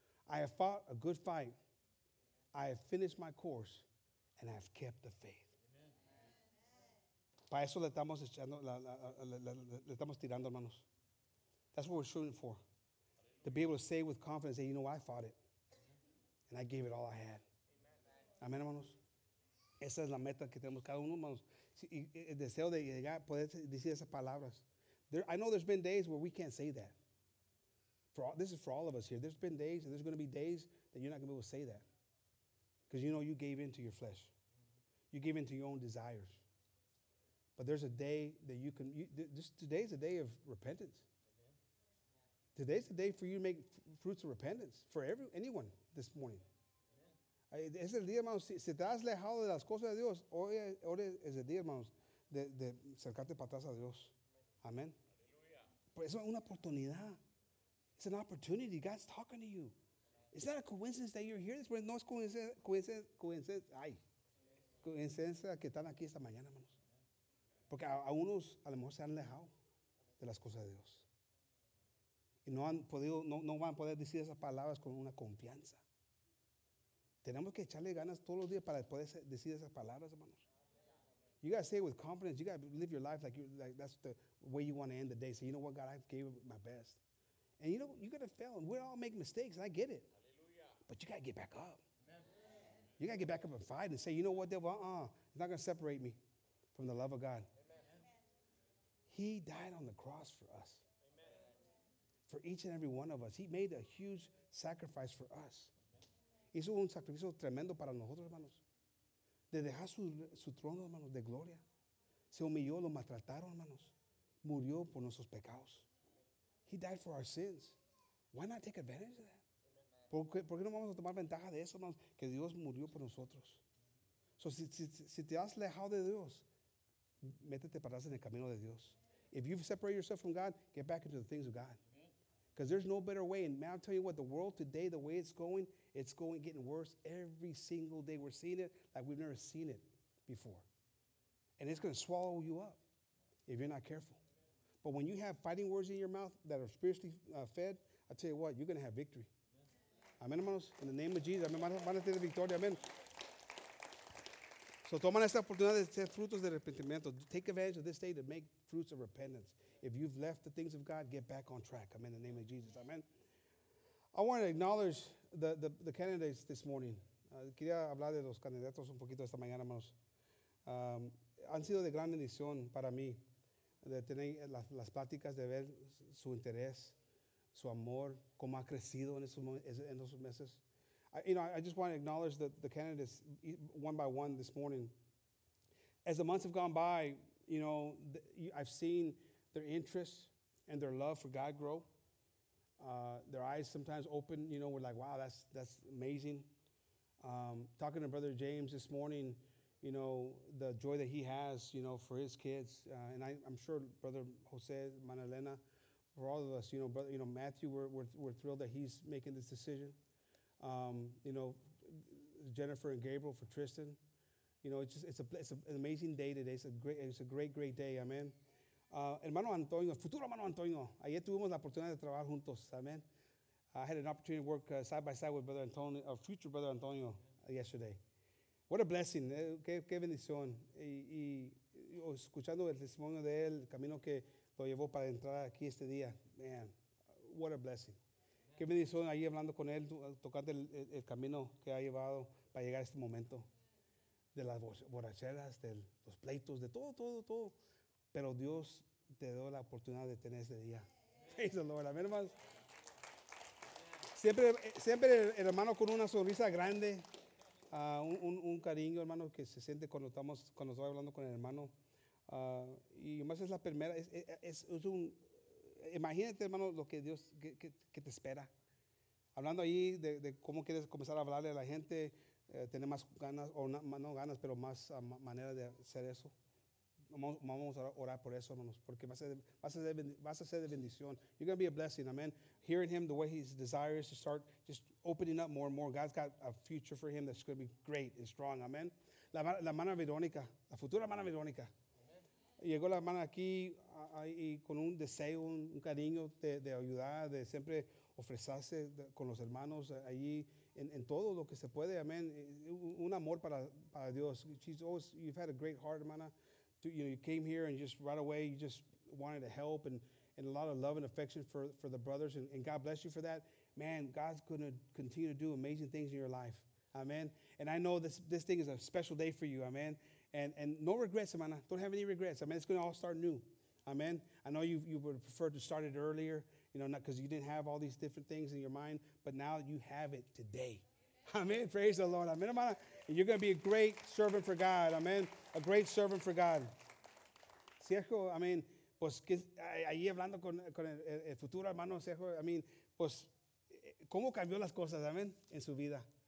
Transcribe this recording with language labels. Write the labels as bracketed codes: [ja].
[en] I have fought a good fight. I have finished my course. And I have kept the faith. [es] Para eso le estamos tirando, hermanos. [en] That's what we're shooting for. To be able to say with confidence, hey, you know what, I fought it. And I gave it all I had. Amen, hermanos. [es] Esa es la meta que tenemos cada uno, hermanos. El deseo de llegar, poder decir esas palabras. [en] I know there's been days where we can't say that. This is for all of us here. There's been days, and there's going to be days that you're not going to be able to say that. Because you know you gave in to your flesh. You gave in to your own desires. But there's a day that you can, today's a day of repentance. Amen. Today's the day for you to make fruits of repentance for anyone this morning. [es] Es el día, hermanos, si te has alejado de las cosas de Dios, hoy es el día, hermanos, de acercarte para atrás a Dios. [en] Amen. [es] Pero es una oportunidad. [en] It's an opportunity. God's talking to you. It's not a coincidence that you're here this morning. [es] No es coincidencia que están aquí esta mañana, hermanos. Porque a unos a lo mejor se han alejado de las cosas de Dios. Y no van a poder decir esas palabras con una confianza. Tenemos que echarle ganas todos los días para poder decir esas palabras, hermanos. [en] You got to say it with confidence. You got to live your life like that's the way you want to end the day. Say, you know what, God, I gave my best. And you know, you got to fail. We all make mistakes. I get it. Hallelujah. But you got to get back up. Amen. You got to get back up and fight and say, you know what, devil, it's not going to separate me from the love of God. He died on the cross for us. Amen. For each and every one of us. He made a huge sacrifice for us. [es] Hizo un sacrificio tremendo para nosotros, hermanos. De dejar su trono, hermanos, de gloria. Se humilló, lo maltrataron, hermanos. Murió por nuestros pecados. [en] He died for our sins. Why not take advantage of that? [es] ¿Por qué no vamos a tomar ventaja de eso, hermanos? Que Dios murió por nosotros. So, si te has alejado de Dios, métete para atrás en el camino de Dios. [en] If you've separated yourself from God, get back into the things of God. Because there's no better way. And man, I'll tell you what, the world today, the way it's going getting worse every single day. We're seeing it like we've never seen it before. And it's going to swallow you up if you're not careful. But when you have fighting words in your mouth that are spiritually fed, I tell you what, you're going to have victory. Amen, hermanos. In the name of Jesus, amen. [es] Van a tener victoria. [en] Amen. [es] So toma esta oportunidad de ser frutos de arrepentimiento. [en] Take advantage of this day to make fruits of repentance. If you've left the things of God, get back on track. Amen. In the name of Jesus. Amen. I want to acknowledge the candidates this morning. [es] Quería hablar de los candidatos un poquito esta mañana, hermanos. Han sido de gran bendición para mí de tener las pláticas, de ver su interés, su amor, cómo ha crecido en esos meses. [en] I just want to acknowledge the candidates one by one this morning. As the months have gone by, you know, I've seen their interest and their love for God grow. Their eyes sometimes open, you know, we're like, wow, that's amazing. Talking to Brother James this morning, you know, the joy that he has, you know, for his kids. And I'm sure Brother Jose, Manalena, for all of us, you know, Brother, you know, Matthew, we're thrilled that he's making this decision. You know, Jennifer and Gabriel for Tristan. You know, it's an amazing day today. It's a great day. Amen. Hermano Antonio, futuro hermano Antonio. [es] Ayer tuvimos la oportunidad de trabajar juntos. Amen. [en] I had an opportunity to work side by side with Brother Antonio, our future Brother Antonio, yesterday. What a blessing. [es] Qué bendición. Y escuchando el testimonio de él, el camino que lo llevó para entrar aquí este día. [en] Man, what a blessing. [es] Qué bendición ahí hablando con él, tocando el camino que ha llevado para llegar a este momento. De las borracheras, de los pleitos, de todo. Pero Dios te dio la oportunidad de tener este día. [en] Praise the Lord. [es] Amén, hermanos. Siempre el hermano con una sonrisa grande, un cariño, hermano, que se siente cuando estoy hablando con el hermano. Y más es la primera, es un... Imagínate, hermano, lo que Dios, que te espera. Hablando ahí de cómo quieres comenzar a hablarle a la gente, tener más ganas, manera de hacer eso. Vamos a orar por eso, hermanos, porque vas a ser de bendición. [en] You're going to be a blessing, amen. Hearing him, the way he desires to start just opening up more and more. God's got a future for him that's going to be great and strong, amen. [es] La hermana Verónica, la futura hermana Verónica. Llegó la hermana aquí y con un deseo, un cariño de ayudar, de siempre ofrecerse con los hermanos allí en todo lo que se puede, amén. Un amor para Dios. [en] She's always, you've had a great heart, hermana. You know, you came here and just right away you just wanted to help and a lot of love and affection for the brothers. And God bless you for that. Man, God's going to continue to do amazing things in your life, amen. And I know this thing is a special day for you, amen. And no regrets, hermana. Don't have any regrets. I mean, it's going to all start new. Amen. I know you would prefer to start it earlier, you know, not because you didn't have all these different things in your mind, but now you have it today. Amen. Praise the Lord. Amen, hermana. And you're going to be a great servant for God. Amen. A great servant for God. [es] Sergio, I mean, pues, ahí hablando con el futuro hermano Sergio, I mean, pues, ¿cómo cambió las cosas, amen, en su vida?